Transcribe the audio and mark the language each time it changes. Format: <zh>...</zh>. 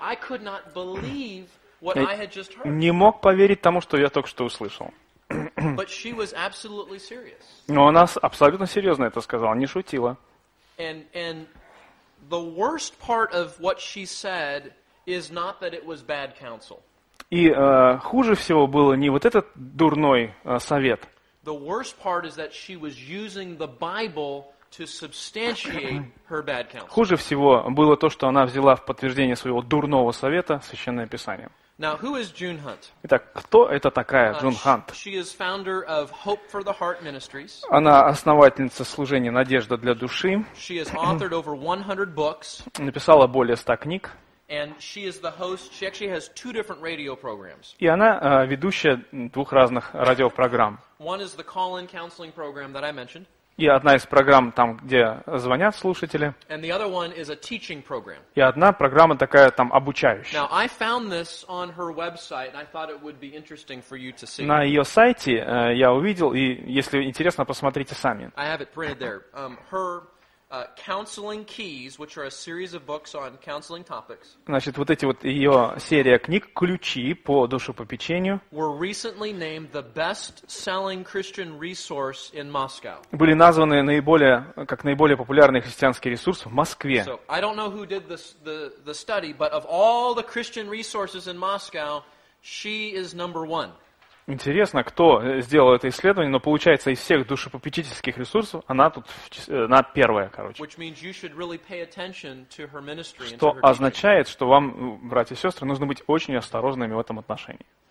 <en>I could not believe what I had just heard.</en> <ru>Не мог поверить тому, что я только что услышал.</ru> <en>But she was absolutely serious.</en> <ru>Но она абсолютно серьезно это сказала, не шутила.</ru> <en>And the worst part of what she said is not that it was bad counsel.</en> <ru>И хуже всего было не вот этот дурной совет.</ru> <en>The worst part is that she was using the Bible to substantiate her bad counsel.</en> <ru>Хуже всего было то, что она взяла в подтверждение своего дурного совета Священное Писание.</ru> <en>Now, who is June Hunt?</en> <ru>Итак, кто это такая Джун Хант?</ru> <en>She is founder of Hope for the Heart Ministries.</en> <ru>Она основательница служения «Надежда для души».</ru> <en>She has authored over 100 books.</en> <ru>Написала более 100 книг.</ru> <en>And she is the host. She actually has two different radio programs.</en> <ru>И она ведущая двух разных радиопрограмм.</ru> <en>One is the call-in counseling program that I mentioned.</en> <ru>И одна из программ там, где звонят слушатели.</ru> <en>And the other one is a teaching program.</en> <ru>И одна программа такая там обучающая.</ru> <en>Now, I found this on her website, and I thought it would be interesting for you to see.</en> <ru>На ее сайте я увидел, и если интересно, посмотрите сами.</ru> <en>I have it printed there. Her counseling keys, which are a series of books on counseling topics.</en> <ru>Значит, вот эти вот ее серия книг «Ключи по душепопечению»</ru> <en>were recently named the best-selling Christian resource in Moscow.</en> <ru>Были названы наиболее популярный христианский ресурс в Москве.</ru> <en>So I don't know who did the study, but of all the Christian resources in Moscow, she is number one.</en> <ru>Интересно, кто сделал это исследование, но получается, из всех душепопечительских ресурсов она тут на первая, короче.</ru> <en>Really</en> <ru>что означает, что вам, братья и сестры, нужно быть очень осторожными в этом отношении.</ru>